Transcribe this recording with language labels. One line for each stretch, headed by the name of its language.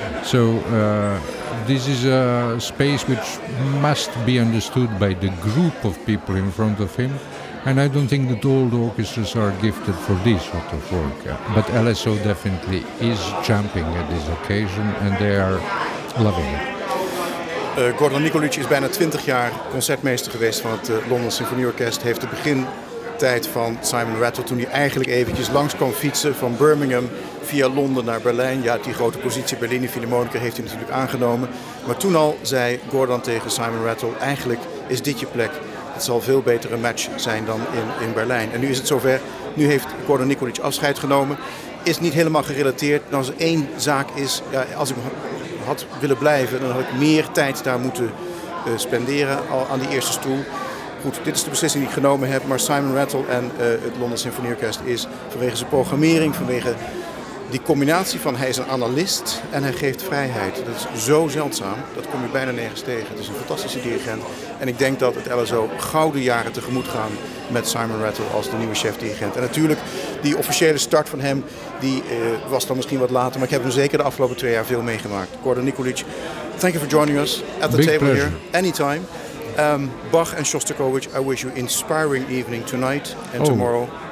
English: So this is a space which must be understood by the group of people in front of him. And I don't think that all the orchestras are gifted for this sort of work. But LSO definitely is jumping at this occasion and they are loving it.
Dutch: Gordon Nikolic is bijna 20 jaar concertmeester geweest van het London Symphony Orkest. Heeft de begintijd van Simon Rattle, toen hij eigenlijk eventjes langs kwam fietsen van Birmingham via Londen naar Berlijn. Ja, die grote positie Berlin in Philharmonica heeft hij natuurlijk aangenomen. Maar toen al zei Gordon tegen Simon Rattle, eigenlijk is dit je plek. Het zal veel beter een match zijn dan in Berlijn. En nu is het zover. Nu heeft Gordon Nikolic afscheid genomen. Is niet helemaal gerelateerd. Als er één zaak is, ja, als ik had willen blijven, dan had ik meer tijd daar moeten spenderen aan die eerste stoel. Goed, dit is de beslissing die ik genomen heb. Maar Simon Rattle en het London Symphony Orkest is vanwege zijn programmering, vanwege die combinatie van hij is een analist en hij geeft vrijheid. Dat is zo zeldzaam, dat kom je bijna nergens tegen. Het is een fantastische dirigent. En ik denk dat het LSO gouden jaren tegemoet gaan met Simon Rattle als de nieuwe chef-dirigent. En natuurlijk, die officiële start van hem, die was dan misschien wat later. Maar ik heb hem zeker de afgelopen 2 jaar veel meegemaakt.
English: Gordon Nikolic, thank you for joining us at the big table pleasure. Here. Anytime. Bach and Shostakovich, I wish you an inspiring evening tonight and tomorrow.